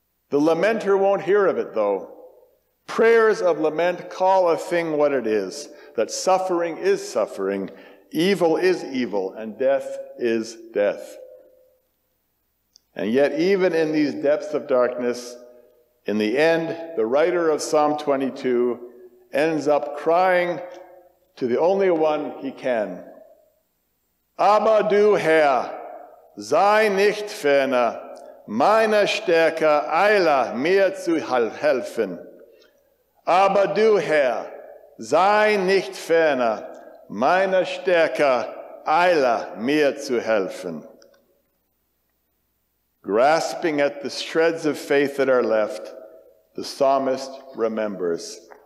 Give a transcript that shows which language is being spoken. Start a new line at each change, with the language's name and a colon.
English: The lamenter won't hear of it, though. Prayers of lament call a thing what it is, that suffering is suffering, evil is evil, and death is death. And yet, even in these depths of darkness, in the end, the writer of Psalm 22 ends up crying to the only one he can.
German: Aber du, Herr, sei nicht ferner, meine Stärke eile mir zu helfen. Aber du, Herr, sei nicht ferner, meine Stärke eile mir zu helfen.
English: Grasping at the shreds of faith that are left, the psalmist remembers.